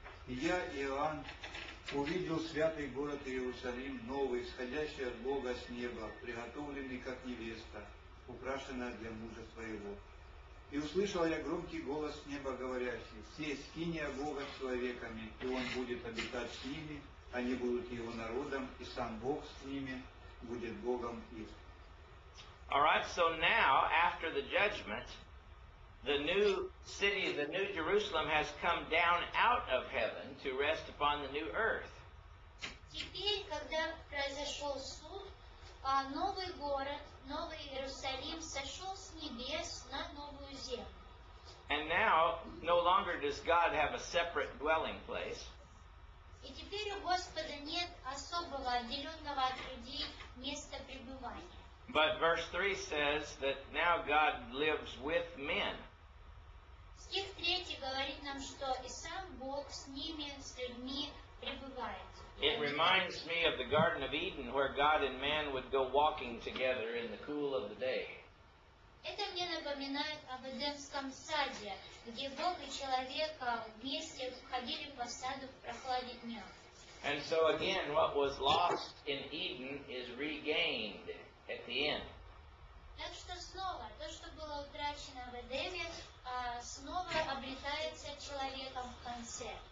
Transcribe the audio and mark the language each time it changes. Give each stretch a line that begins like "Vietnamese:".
Russian: И я, Иоанн, увидел святый город Иерусалим, новый, сходящий от Бога с неба, приготовленный как невеста, украшенная для мужа своего. И услышал я громкий голос неба, говорящий: «Се, скиния Бога с человеками, и Он будет обитать с ними, они будут Его народом, и Сам Бог с ними будет Богом их».
English: All right, so now, after the judgment, the new city, the new Jerusalem, has come down out of heaven to rest upon the new earth.
Russian: Теперь, когда произошел суд, новый город, новый Иерусалим, сошел с небес на новую землю.
English: And now, no longer does God have a separate dwelling place.
Russian: И теперь у Господа нет особого отделенного от людей места пребывания.
English: But verse 3 says that now God lives with men.
Russian: Стих 3 говорит нам, что и сам Бог с ними, с людьми пребывает.
English: It reminds me of the Garden of Eden, where God and man would go walking together in the cool of the day.
Russian: Это мне напоминает об Эдемском саде, где Бог и человек вместе ходили по саду в прохладе дня.
English: And so again, what was lost in Eden is regained at the end.
Russian: Так что снова, то, что было утрачено в Эдеме, снова обретается человеком в конце.